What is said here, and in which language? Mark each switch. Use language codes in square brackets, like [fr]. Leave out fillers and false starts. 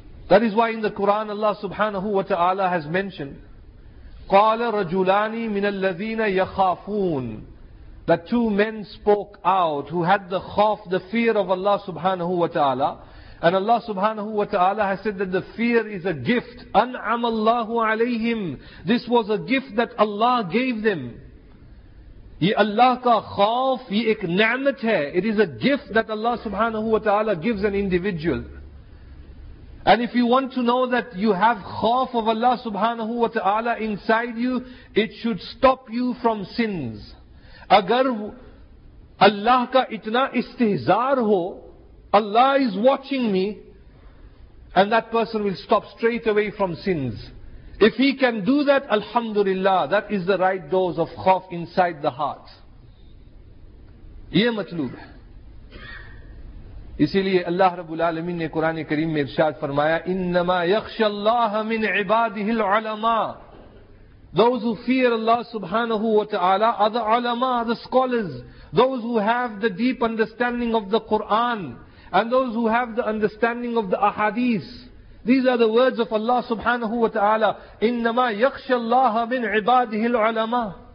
[en] That is why in the Quran Allah subhanahu wa ta'ala has mentioned, [ar] qala rajulani min alladhina yakhafun, [en] that two men spoke out who had the khawf, the fear of Allah subhanahu wa ta'ala. And Allah subhanahu wa ta'ala has said that the fear is a gift, [ar] an'am Allahu alayhim, [en] this was a gift that Allah gave them. [ur] یہ اللہ کا خوف یہ ایک نعمت ہے. [en] It is a gift that Allah subhanahu wa ta'ala gives an individual. And if you want to know that you have khawf of Allah subhanahu wa ta'ala inside you, it should stop you from sins. [ur] Agar Allah ka itna istihzar ho, [en] Allah is watching me, and that person will stop straight away from sins. If he can do that, alhamdulillah, that is the right dose of khawf inside the heart. [ur] Yeh matloob hai. اسی لئے اللہ رب العالمین نے قرآن کریم میں ارشاد فرمایا [ar] انما یخش اللہ من عباده العلماء. [en] Those who fear Allah subhanahu wa ta'ala are the ulama, the scholars, those who have the deep understanding of the Quran and those who have the understanding of the ahadith. These are the words of Allah subhanahu wa ta'ala, [ar] انما یخش اللہ من عباده العلماء.